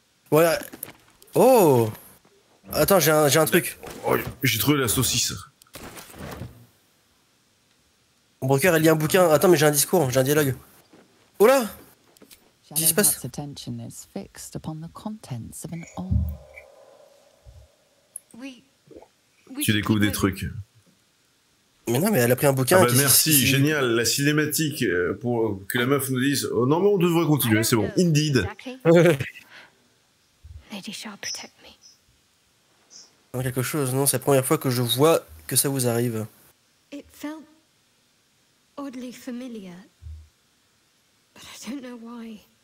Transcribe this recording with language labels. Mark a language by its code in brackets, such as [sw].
[fr] Voilà. Oh. Attends, j'ai un truc. Oh, j'ai trouvé la saucisse. Mon broker, elle lit un bouquin. Attends, mais j'ai un discours, j'ai un dialogue. Oh là! [en] attention is fixed upon the contents of an old. [fr] Tu découvres des trucs. Mais non, mais elle a pris un bouquin. Ah bah merci, c'est... génial, la cinématique pour que la meuf nous dise. Oh non, mais on devrait continuer, c'est bon. [en] Indeed. Lady Shaw protect me. [fr] Quelque chose, non, c'est la première fois que je vois que ça vous arrive. [en] It felt oddly familiar, but I don't know why.